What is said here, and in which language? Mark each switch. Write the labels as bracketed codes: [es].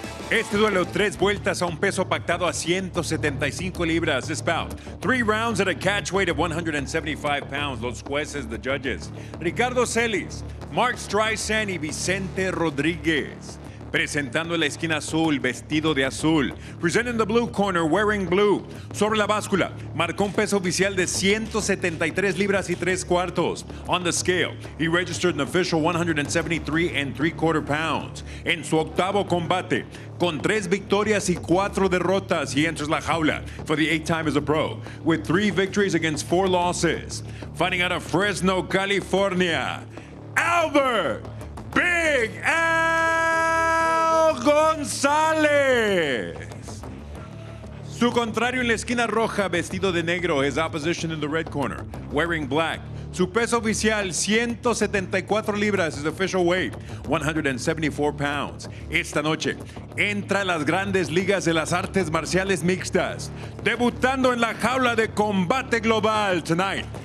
[es] Este duelo, tres vueltas a un peso pactado a 175 libras. [en] This bout, three rounds at a catch weight of 175 pounds. [es] Los jueces, [en] the judges. [es] Ricardo Celis, Mark Streisand, y Vicente Rodriguez. Presentando la esquina azul, vestido de azul. [en] Presenting the blue corner, wearing blue. [es] Sobre la báscula, marcó un peso oficial de 173 libras y tres cuartos. [en] On the scale, he registered an official 173 and three quarter pounds. [es] En su octavo combate, con tres victorias y cuatro derrotas, [en] he enters [es] la jaula [en] for the eighth time as a pro, with three victories against four losses. Fighting out of Fresno, California, Albert Big Al Gonzalez. [es] Su contrario en la esquina roja, vestido de negro. [en] His opposition in the red corner, wearing black. [es] Su peso oficial, 174 libras, [en] his official weight, 174 pounds. [es] Esta noche, entra a las grandes ligas de las artes marciales mixtas, debutando en la jaula de Combate Global [en] tonight.